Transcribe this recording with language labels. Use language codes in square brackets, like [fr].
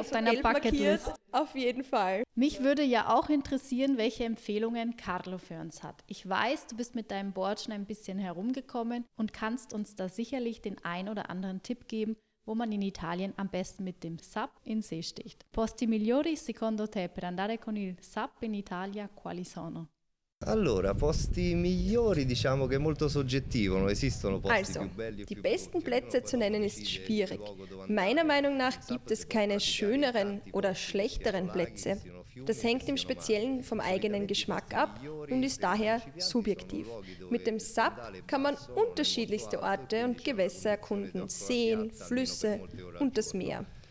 [de] auf deiner Bucketlist. Auf jeden Fall. Mich würde ja auch interessieren, welche Empfehlungen Carlo für uns hat. Ich weiß, du bist mit deinem Board schon ein bisschen herumgekommen und kannst uns da sicherlich den ein oder anderen Tipp geben, wo man in Italien am besten mit dem SUP in See sticht. [it] Posti migliori secondo te per andare con il SUP in Italia quali sono? Allora, posti migliori, diciamo che molto soggettivo, non esistono posti [de] also, [it] più belli o [de] die besten Plätze zu nennen ist schwierig. Meiner Meinung nach gibt es keine schöneren oder schlechteren Plätze. Das hängt im Speziellen vom eigenen Geschmack ab und ist daher subjektiv. Mit dem SUP kann man unterschiedlichste Orte und Gewässer erkunden, Seen, Flüsse und das Meer.